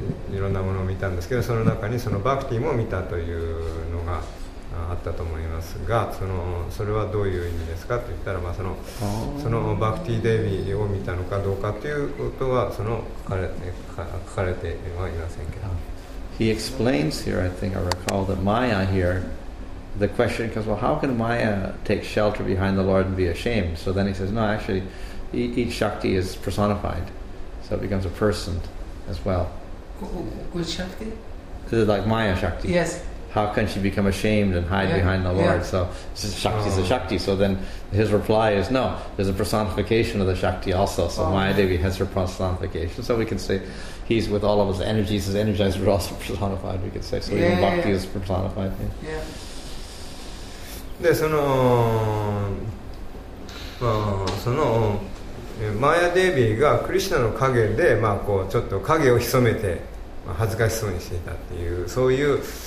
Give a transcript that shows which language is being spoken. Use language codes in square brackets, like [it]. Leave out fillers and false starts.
[ja] いろんなものを見たんですけど、その中にそのバクティも見たというのがあったと思いますが、それはどういう意味ですかと言ったら、まあ、そのバクティデビーを見たのかどうかということは書かれてはいませんけど。 [en] He explains here, I think I recall, that Maya here, the question comes, well, how can Maya take shelter behind the Lord and be ashamed? So then he says, no, actually, each Shakti is personified, so it becomes a person as well. Which Shakti? This is like Maya Shakti. Yes. How can she become ashamed and hide behind the Lord? Yeah. So Shakti is a Shakti. So then his reply is, no, there's a personification of the Shakti also. So Maya Devi has her personification. So we can say he's with all of his energies. His energies are also personified, we could say. So even Bhakti is personified. Yeah. [ja] で、その、まあ、そのマーヤデービーがクリシナの影で、まあ、こうちょっと影を潜めて、まあ、恥ずかしそうにしていたっていうそういう、